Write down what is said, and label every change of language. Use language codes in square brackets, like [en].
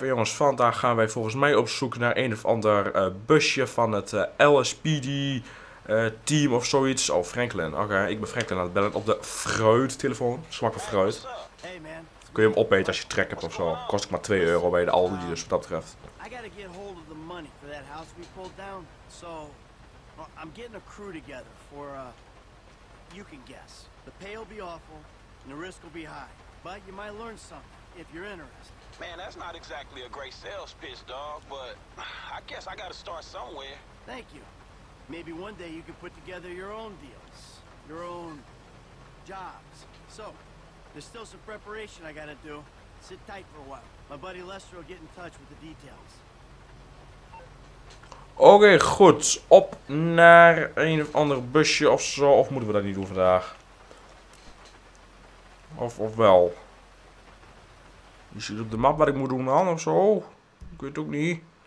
[nl] En jongens, vandaag gaan wij volgens mij op zoek naar een of ander busje van het LSPD team of zoiets. Oh, Franklin. Oké, ik ben Franklin aan het bellen op de fruit telefoon. Smakke fruit. Kun je hem opeten als je trek hebt of zo? Kost ik maar 2 euro bij de Aldi, dus wat dat betreft. [en] I gotta get hold of the money for that house we pulled down. So, I'm getting a crew together for you can guess. The pay will be awful and the risk will be high. But you might learn something if you're interested. Man, that's not exactly a great sales pitch, dog, but I guess I gotta start somewhere. Thank you. Maybe one day you can put together your own deals, your own jobs. So, there's still some preparation I gotta do. Sit tight for a while. My buddy Lester will get in touch with the details. [nl] Oké, goed. Op naar een of ander busje of zo. Of moeten we dat niet doen vandaag? Of wel? Je ziet op de map wat ik moet doen dan of zo. Ik weet het ook niet.